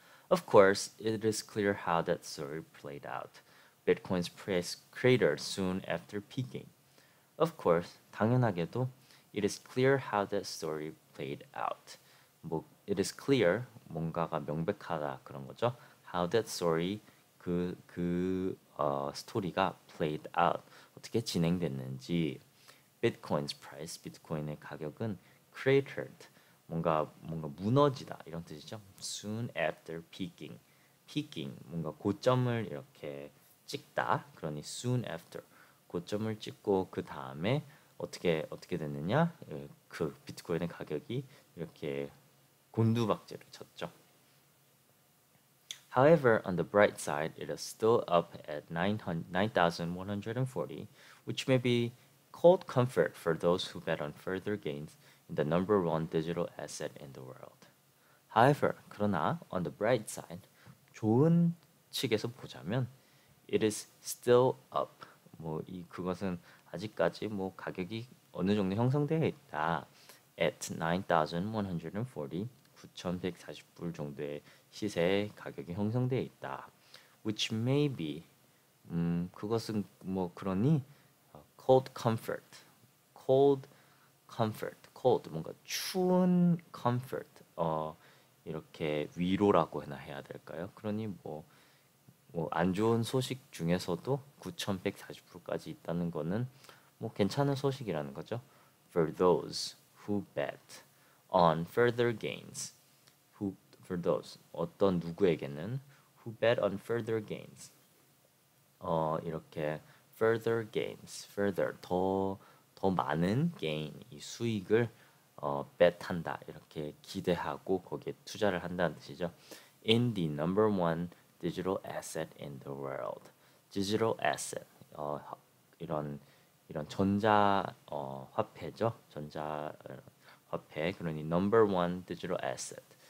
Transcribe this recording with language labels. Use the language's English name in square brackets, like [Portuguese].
[English] Of course, it is clear how that story played out. Bitcoin's price cratered soon after peaking. Of course, [Korean] 당연하게도 [English] it is clear how that story played out. [Korean] 뭐, it is clear 뭔가가 명백하다 그런 거죠. [English] How that story [Korean] 스토리가 [English] played out [Korean] 어떻게 진행됐는지. [English] Bitcoin's price, [Korean] 비트코인의 가격은 [English] cratered [Korean] 뭔가 무너지다 이런 뜻이죠. [English] Soon after peaking [Korean] 뭔가 고점을 이렇게 찍다. 그러니 [English] soon after [Korean] 고점을 찍고 그 다음에 어떻게 됐느냐? 그 비트코인의 가격이 이렇게 곤두박질을 쳤죠. [English] However, on the bright side, it is still up at 9,140, which may be cold comfort for those who bet on further gains in the number one digital asset in the world. However, [Korean] 그러나 [English] on the bright side, [Korean] 좋은 측에서 보자면 [English] it is still up. [Korean] 뭐 이 그것은 아직까지 뭐 가격이 어느 정도 형성되어 있다. At 9,140, 9,140불 정도의 시세의 가격이 형성되어 있다. [English] Which may be, [Korean] 그것은 뭐 그러니 [English] cold comfort, [Korean] 뭔가 추운 comfort, 이렇게 위로라고 해야 될까요? 그러니 뭐 뭐안 좋은 소식 중에서도 9,140불까지 있다는 거는 뭐 괜찮은 소식이라는 거죠. [English] For those who bet on further gains. Who, for those, [Korean] 어떤 누구에게는 [English] who bet on further gains. [Korean] 이렇게 [English] further gains, [Korean] further, 더 많은 gain, 이 수익을 bet한다, 이렇게 기대하고 거기에 투자를 한다는 뜻이죠. [English] In the number one digital asset in the world. Digital asset, [Korean] 이런 전자 화폐죠. 전자 화폐, 그러니 [English] number one digital asset.